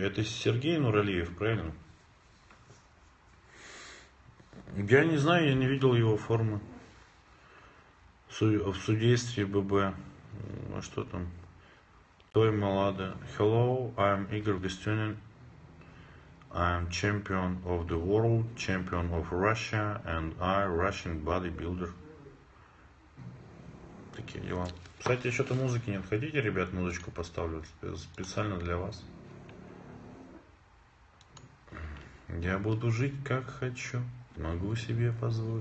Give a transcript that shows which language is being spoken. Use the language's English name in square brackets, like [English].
[Russian] Это Сергей Нуралиев, правильно? Я не знаю, я не видел его формы. В судействе ББ. А что там? Той Малада. [English] Hello, I'm Игорь Гостюнин. I'm champion of the world, champion of Russia, and I Russian bodybuilder. [Russian] Такие дела. Кстати, что-то музыки нет. Хотите, ребят, музычку поставлю специально для вас? Я буду жить, как хочу. Могу себе позволить.